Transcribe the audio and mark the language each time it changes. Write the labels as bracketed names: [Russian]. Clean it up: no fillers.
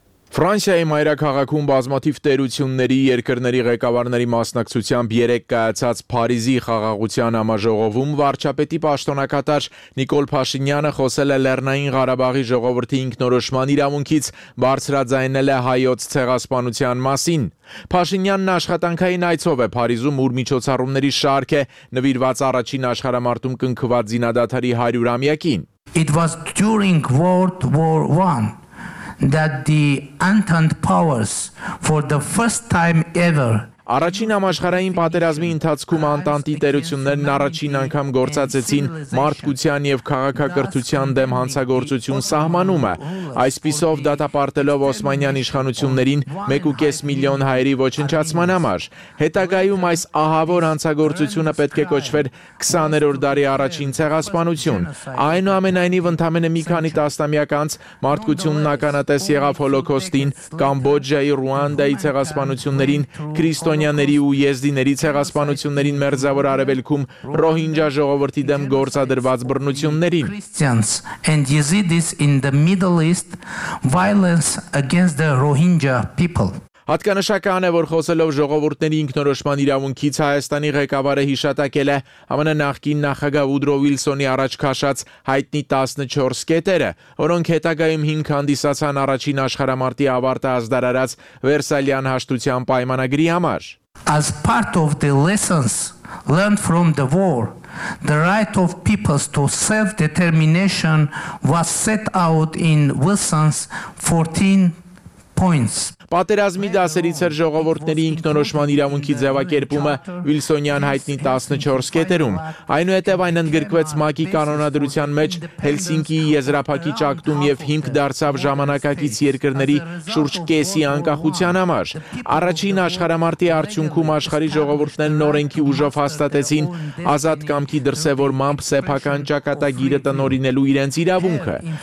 [Armenian] Ֆրանսիայի մայրաքաղաքում բազմաթիվ տերությունների երկրների ղեկավարների մասնակցությամբ երեկ կայացած Փարիզի խաղաղության համաժողովում վարչապետի պաշտոնակատար Նիկոլ Փաշինյանը խոսել է Լեռնային Ղարաբաղի ժողովրդի ինքնորոշման իրավունքից, բարձրաձայնել է հայոց ցեղասպանության մասին։ Փաշինյանն աշխատանքային այցով է Փարիզում, ուր միջոցառումների շարք է նվիրված առաջին աշխարհամարտում կնքված զինադադարի 100-ամյակին։ [English] It was during World War 1 that the Entente powers for the first time ever [Armenian] Առաջին համաշխարհային պատերազմի ընթացքում Անտանտի տերություններն առաջին անգամ գործածեցին մարդկության եւ քաղաքակրթության դեմ հանցագործություն սահմանումը, այսպիսով դատապարտելով Օսմանյան իշխանություններին 1.5 միլիոն հայերի ոչնչացման համար։ Հետագայում այս ահավոր հանցագործությունը պետք է կոչվեր 20-րդ դարի առաջին ցեղասպանություն։ Այնուամենայնիվ, ընդամենը մի քանի տասնամյակ անց մարդկությունն ականատես եղավ Հոլոկոստին, Կամբոջիայի, Ռուանդայի ցեղասպանություններին, քրիստոնեական Ստոնյաների ու Եզդիների ցեղասպանություններին մերձավոր արևելքում Ռոհինջա ժողովրդի դեմ գործադրված բռնություններին [English] Christians and Yazidis in the Middle East violence against the Rohingya people [Armenian] Հատկանշական է, որ խոսելով ժողովուրդների ինքնորոշման իրավունքից Հայաստանի ղեկավարը հիշատակել է ԱՄՆ նախկին նախագահ Ուդրո Վիլսոնի առաջ քաշած հայտնի 14 կետերը, որոնք հետագայում հիմք հանդիսացան առաջին աշխարհամարտի ավարտը ազդարարած Վերսալյան հաշտության պայմանագրի համար։ [English] As part of the lessons learned from the war, the right of peoples to self-determination was set out in Wilson's 14 points. [Armenian] Պատերազմի դասերից էր ժողովուրդների ինքնորոշման իրավունքի ձևակերպումը Վիլսոնյան հայտնի 14 կետերում։ Այնուհետև այն ընդգրկվեց ՄԱԿ-ի կանոնադրության մեջ Հելսինկիի եզրափակիչ ակտում եւ հիմք դարձավ ժամանակակից երկրների շուրջ կեսի անկախության համար։ Առաջին աշխարհամարտի արդյունքում աշխարհի ժողովուրդները նորենքի ուժով հաստատեցին ազատ կամքի դրսևորմամբ սեփական ճակատագիրը տնօրինելու իրենց իրավունքը։